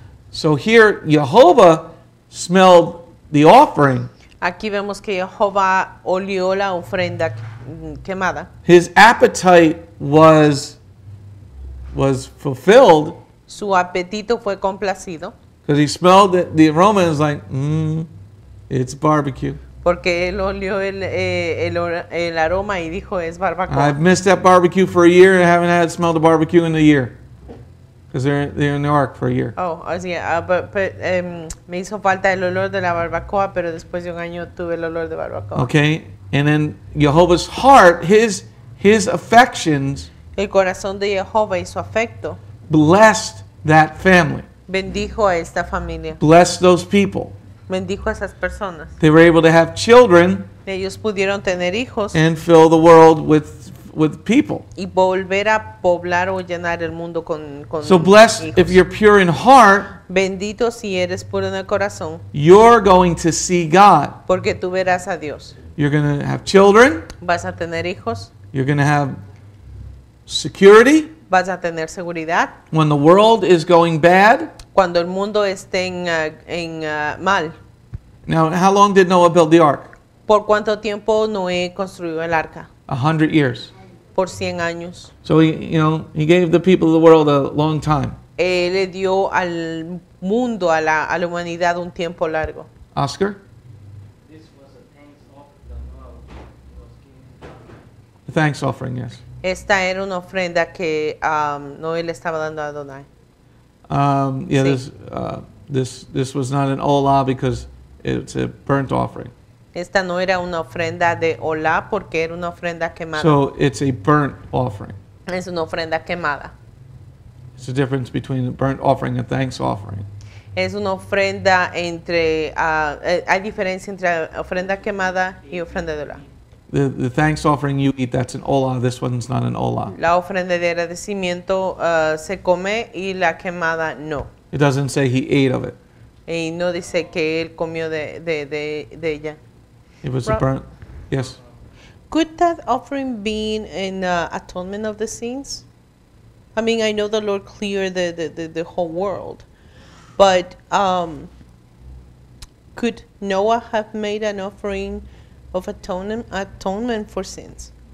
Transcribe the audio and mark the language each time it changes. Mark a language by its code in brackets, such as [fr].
[en] So here, Jehovah smelled the offering. [es] Aquí vemos que Jehovah olió la ofrenda quemada. [en] His appetite was fulfilled. [es] Su apetito fue complacido. [en] Because he smelled the aroma and was like, it's barbecue. [es] Porque él olió el aroma y dijo, es barbacoa. [en] I've missed that barbecue for a year and I haven't had smelled a barbecue in a year. Because they're in the ark for a year. [es] Me hizo falta el olor de la barbacoa, pero después de un año tuve el olor de barbacoa. [en] Okay, and then Jehovah's heart, his affections. [es] El corazón de Jehovah y su afecto. [en] Blessed that family. [es] Bendijo a esta familia. [en] Bless those people. [es] Bendijo a esas personas. [en] They were able to have children. [es] Ellos pudieron tener hijos. [en] And fill the world with people. [es] Y volver a poblar o llenar el mundo con [en] so blessed [es] hijos. [en] If you're pure in heart. [es] Bendito si eres puro en el corazón. [en] You're going to see God. [es] Porque tú verás a Dios. [en] You're going to have children. [es] Vas a tener hijos. [en] You're going to have security. [es] Vas a tener seguridad. [en] When the world is going bad. [es] Cuando el mundo esté en mal. [en] Now, how long did Noah build the ark? [es] ¿Por cuánto tiempo Noé construyó el arca? [en] 100 years. [es] Por 100 años. [en] So, he gave the people of the world a long time. [es] Le dio al mundo, a la humanidad, un tiempo largo. Oscar? [en] This was a thanks offering that Noah was giving. A thanks offering, yes. [es] Esta era una ofrenda que Noé le estaba dando a Adonai. Sí. [en] This was not an olah because it's a burnt offering. [es] Esta no era una ofrenda de olah porque era una ofrenda quemada. [en] So it's a burnt offering. [es] Es una ofrenda quemada. [en] It's the difference between a burnt offering and a thanks offering. [es] Es una ofrenda entre, hay diferencia entre ofrenda quemada y ofrenda de olá. [en] The thanks offering you eat, that's an olá. This one's not an olá. [es] La ofrenda de agradecimiento se come y la quemada no. [en] It doesn't say he ate of it. [es] Y no dice que él comió de ella. [en] It was a burnt. Yes. Could that offering be in atonement of the sins? I mean, I know the Lord cleared the whole world, but could Noah have made an offering of atonement for sins?